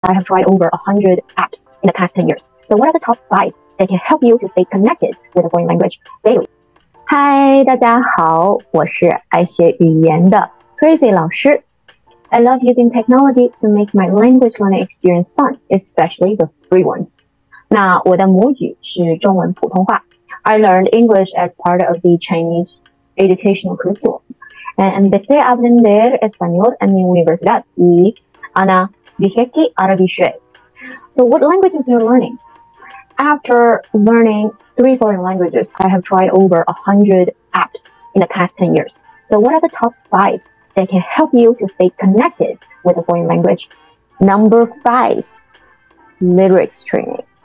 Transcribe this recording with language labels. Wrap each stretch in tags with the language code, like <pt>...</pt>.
<en>I have tried over 100 apps in the past 10 years. So what are the top 5 that can help you to stay connected with a foreign language daily?</en> <zh>Hi, 大家好，我是爱学语言的 Crazy 老师。</zh> <en>I love using technology to make my language learning experience fun, especially the free ones.</en> <zh>那我的母语是中文普通话。</zh> <en>I learned English as part of the Chinese educational curriculum.</en> <es>And empecé a aprender español en mi universidad y Ana Vigeti Arabishe.</es> <en>So what languages are you learning? After learning 3 foreign languages, I have tried over 100 apps in the past 10 years. So what are the top 5 that can help you to stay connected with a foreign language? Number 5, lyrics training.</en>